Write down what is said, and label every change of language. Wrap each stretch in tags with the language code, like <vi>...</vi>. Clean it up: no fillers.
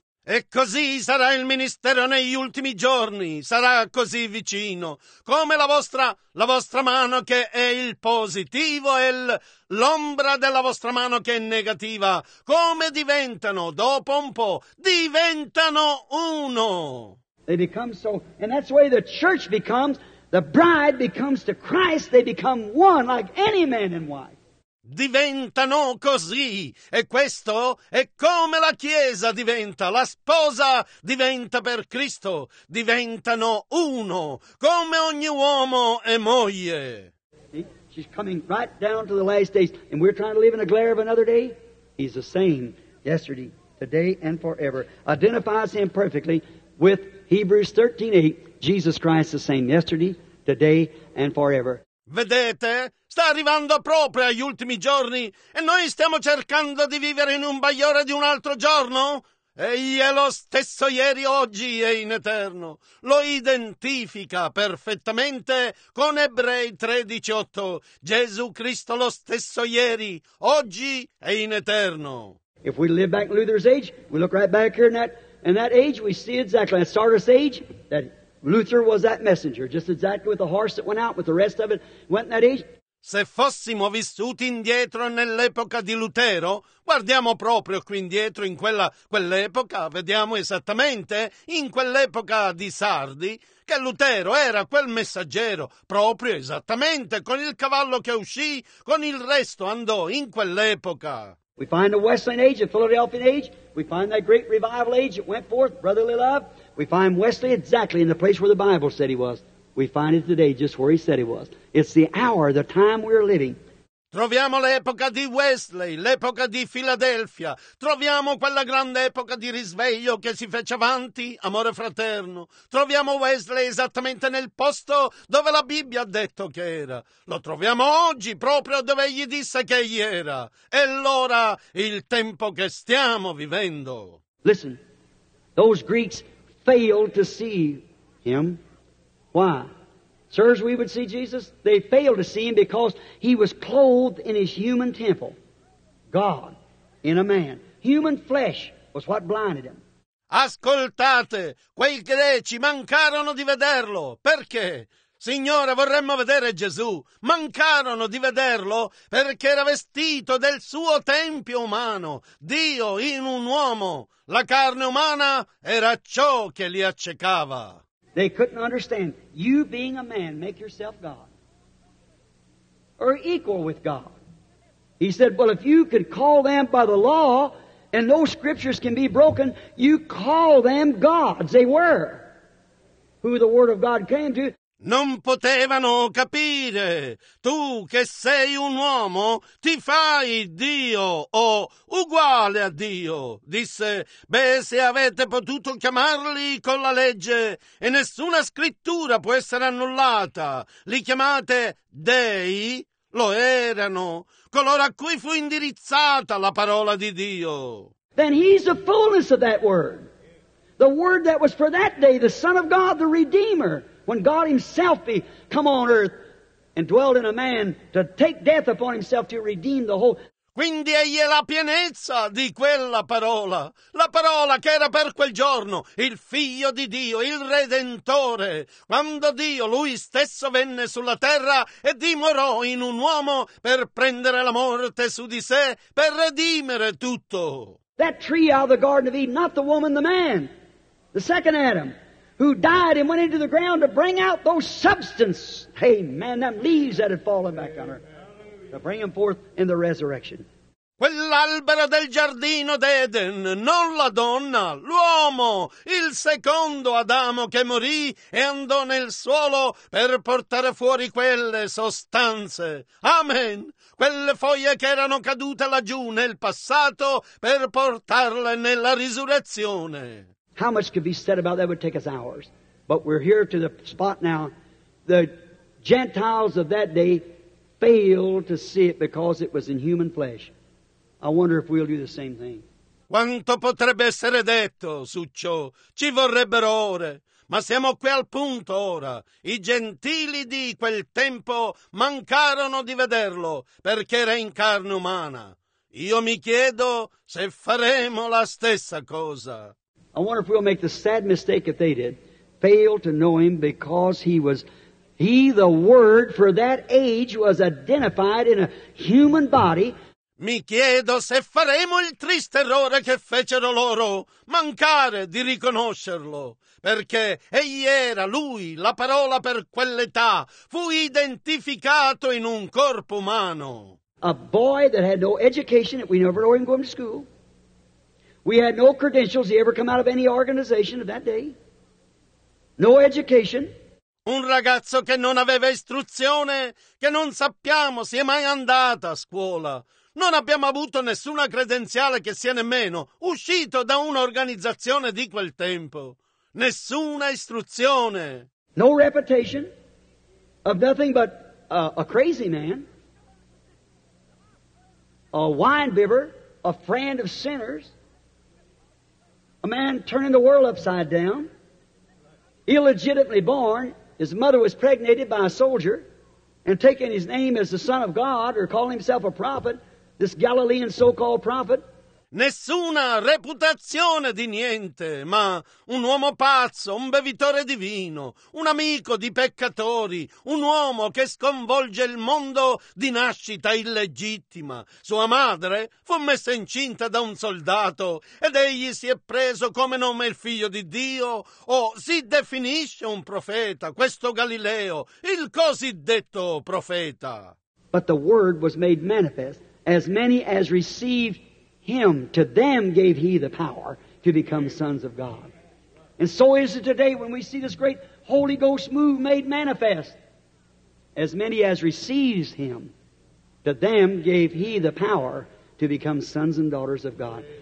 <it>E così sarà il ministero negli ultimi giorni, sarà così vicino, come la vostra mano che è il positivo e l'ombra della vostra mano che è negativa, come diventano, dopo un po', diventano uno.</it> <en>They become so, and that's the way the church becomes, the bride becomes to Christ, they become one like any man and wife.</en> <it>Diventano così, e questo è come la Chiesa diventa, la sposa diventa per Cristo, diventano uno, come ogni uomo e moglie.</it> <en>She's coming right down to the last days, and we're trying to live in the glare of another day. He's the same yesterday, today, and forever. Identifies him perfectly with Hebrews 13:8. Jesus Christ the same yesterday, today, and forever. Vedete?</en> <it>Sta arrivando proprio agli ultimi giorni e noi stiamo cercando di vivere in un bagliore di un altro giorno? Egli è lo stesso ieri, oggi e in eterno. Lo identifica perfettamente con Ebrei 13:8. Gesù Cristo lo stesso ieri, oggi e in eterno.</it> <en>If we live back in Luther's age, we look right back here in that age, we see exactly that Sardis age, that Luther was that messenger, just exactly with the horse that went out, with the rest of it, went in that age.</en> <it>Se fossimo vissuti indietro nell'epoca di Lutero, guardiamo proprio qui indietro in quell'epoca, vediamo esattamente in quell'epoca di Sardi, che Lutero era quel messaggero, proprio esattamente con il cavallo che uscì, con il resto andò in quell'epoca.</it> <en>We find the Wesleyan age, the Philadelphian age, we find that great revival age that went forth, brotherly love. We find Wesley exactly in the place where the Bible said he was. We find it today just where he said he was. It's the hour, the time we're living.</en> <it>Troviamo l'epoca di Wesley, l'epoca di Filadelfia. Troviamo quella grande epoca di risveglio che si fece avanti, amore fraterno. Troviamo Wesley esattamente nel posto dove la Bibbia ha detto che era. Lo troviamo oggi, proprio dove gli disse che egli era. E allora il tempo che stiamo vivendo.</it> <en>Listen, those Greeks failed to see him. Why? Sirs, we would see Jesus. They failed to see him because he was clothed in his human temple. God in a man. Human flesh was what blinded him.</en> <it>Ascoltate, quei greci mancarono di vederlo. Perché? Signore, vorremmo vedere Gesù. Mancarono di vederlo perché era vestito del suo tempio umano. Dio in un uomo. La carne umana era ciò che li accecava.</it> <en>They couldn't understand. You being a man, make yourself God. Or equal with God. He said, well, if you could call them by the law, and no scriptures can be broken, you call them gods. They were who the Word of God came to.</en> <it>Non potevano capire. Tu che sei un uomo, ti fai Dio o uguale a Dio. Disse, beh, se avete potuto chiamarli con la legge e nessuna scrittura può essere annullata, li chiamate dei? Lo erano coloro a cui fu indirizzata la parola di Dio.</it> <en>Then he's the fullness of that word. The word that was for that day, the Son of God, the Redeemer. When God himself come on earth and dwelt in a man to take death upon himself to redeem the whole.</en> <it>Quindi egli è la pienezza di quella parola, la parola che era per quel giorno, il figlio di Dio, il Redentore, quando Dio lui stesso venne sulla terra e dimorò in un uomo per prendere la morte su di sé, per redimere tutto.</it> <en>That tree out of the Garden of Eden, not the woman, the man, the second Adam. Who died and went into the ground to bring out those substance. Hey, man, them leaves that had fallen back on her. To bring them forth in the resurrection.</en> <it>Quell'albero del giardino d'Eden, non la donna, l'uomo, il secondo Adamo che morì e andò nel suolo per portare fuori quelle sostanze. Amen. Quelle foglie che erano cadute laggiù nel passato per portarle nella risurrezione.</it> <en>How much could be said about that would take us hours. But we're here to the spot now. The Gentiles of that day failed to see it because it was in human flesh. I wonder if we'll do the same thing.</en> <it>Quanto potrebbe essere detto su ciò? Ci vorrebbero ore. Ma siamo qui al punto ora. I gentili di quel tempo mancarono di vederlo perché era in carne umana. Io mi chiedo se faremo la stessa cosa.</it> <en>I wonder if we'll make the sad mistake if they did, fail to know him because he the Word for that age was identified in a human body.</en> <it>Mi chiedo se faremo il triste errore che fecero loro, mancare di riconoscerlo, perché egli era lui, la parola per quell'età, fu identificato in un corpo umano.</it> <en>A boy that had no education, we never know him going to school. We had no credentials. He ever come out of any organization of that day. No education.</en> <it>Un ragazzo che non aveva istruzione, che non sappiamo se è mai andato a scuola. Non abbiamo avuto nessuna credenziale che sia nemmeno uscito da un'organizzazione di quel tempo. Nessuna istruzione.</it> <en>No reputation of nothing but a crazy man. A wine bibber, a friend of sinners. A man turning the world upside down, illegitimately born, his mother was pregnated by a soldier, and taking his name as the Son of God, or calling himself a prophet, this Galilean so-called prophet.</en> <it>Nessuna reputazione di niente, ma un uomo pazzo, un bevitore di vino, un amico di peccatori, un uomo che sconvolge il mondo di nascita illegittima. Sua madre fu messa incinta da un soldato ed egli si è preso come nome il figlio di Dio o si definisce un profeta, questo Galileo, il cosiddetto profeta.</it> <en>But the word was made manifest as many as received Him, to them gave He the power to become sons of God. And so is it today when we see this great Holy Ghost move made manifest. As many as receives Him, to them gave He the power to become sons and daughters of God.</en>